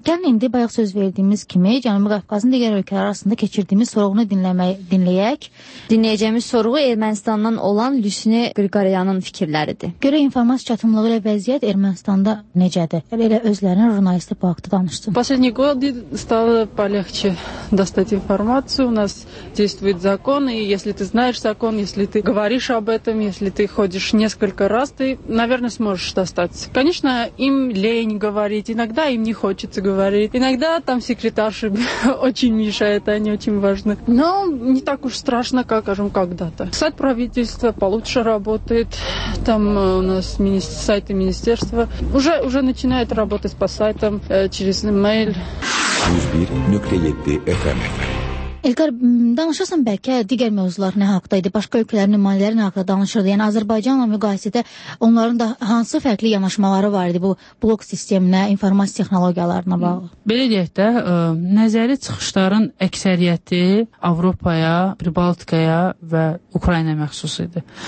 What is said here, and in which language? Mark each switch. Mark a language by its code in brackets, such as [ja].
[az] Gəlin indi bayaq söz verdiyimiz kimi Cənubi Qafqazın digər ölkələr arasında keçirdiyimiz sorğunu dinləyək. Dinləyəcəyimiz sorğu Ermənistandan olan Lüsinə Qriqoryanın fikirləridir. Görə informasiya çatımlığı ilə vəziyyət Ermənistanda necədir? Elə özlərinin jurnalisti bu haqda danışdı. [ru] Последние годы стало полегче достать информацию. У нас действует закон, и если ты знаешь закон, если ты говоришь об этом, если ты ходишь несколько раз, ты, наверное, сможешь достать. Конечно, им лень говорить, иногда им не хочется говорить. Иногда там секретарши очень мешают, они очень важны. Но не так уж страшно, как, скажем, когда-то. Сайт правительства получше работает. Там у нас сайты министерства уже начинают работать по сайтам через email. 101.7 FM. [az] Elqar, danışasın bəlkə digər mövzular nə haqdaydı, başqa ölkələrin nümayəndələri nə haqda danışırdı? Yəni, Azərbaycanla müqayisədə onların da hansı fərqli yanaşmaları var idi bu blok sisteminə, informasiya texnologiyalarına bağlı? Belə deyək də, nəzəri çıxışların əksəriyyəti Avropaya, Baltikaya və Ukrayna məxsus idi.